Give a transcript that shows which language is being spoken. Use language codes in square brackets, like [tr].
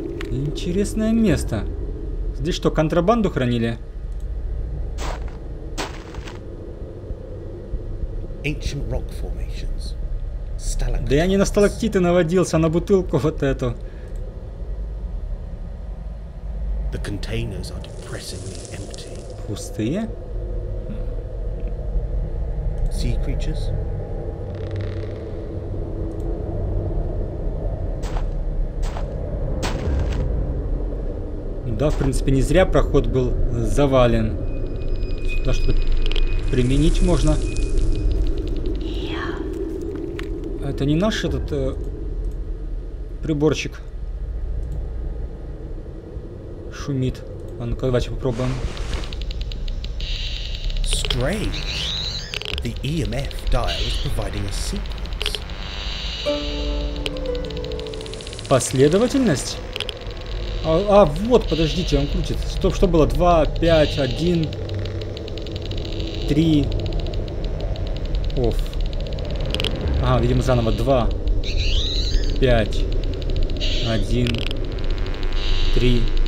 [ru] Интересное место. Здесь что, контрабанду хранили? [en] Ancient rock formations. [ru] Да я не на сталактиты наводился, а на бутылку вот эту. [en] The containers are depressingly empty. [ru] Пустые? [en] Sea creatures? [ru] Да, в принципе, не зря проход был завален. Сюда что-то применить можно. Это не наш этот приборчик шумит. А ну-ка давайте попробуем. [en] Strange. The EMF dial is providing a sequence. [ru] Последовательность? А вот, подождите, он крутит. Стоп, что было? 2, 5, 1, 3. Оф. А, видимо, заново. 2, 5, 1, 3.